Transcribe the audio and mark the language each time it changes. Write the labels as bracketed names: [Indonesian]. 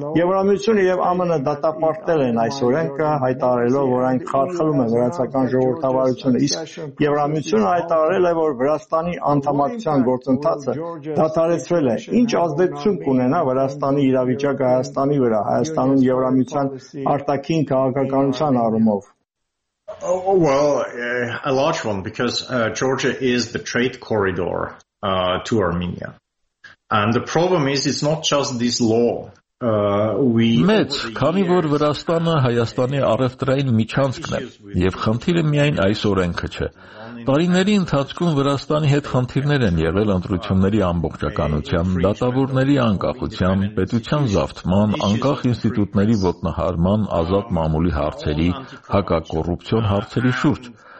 [Armenian] Եվրամիությունը և ԱՄՆ դատապարտել են այս օրենքը, հայտարարելով, որ այն խարխլում է վրացական ժողովրդավարությունը, իսկ Եվրամիությունը հայտարարել է, որ Վրաստանի անդամակցության գործընթացը դադարեցրել է, ինչ ազդեցություն կունենա Վրաստանի իրավիճակ Հայաստանի վրա, Հայաստանում Եվրամիության արտաքին քաղաքականության առումով։ [English] Oh, well, a large one, because Georgia is the trade corridor to Armenia. And the problem is, it's not just this law. [Armenian] Մեծ, քանի որ Վրաստանը Հայաստանի առևտրային միջանցքն է, և խնդիրը միայն այս օրենքը չէ։ Տարիների ընթացքում Վրաստանի հետ խնդիրներ են եղել ընտրությունների ամբողջականության, դատավորների անկախության, պետության զավթման, անկախ ինստիտուտների ոտնահարման, ազատ մամուլի հարցերի, հակակոռուպցիոն հարցերի շուրջ։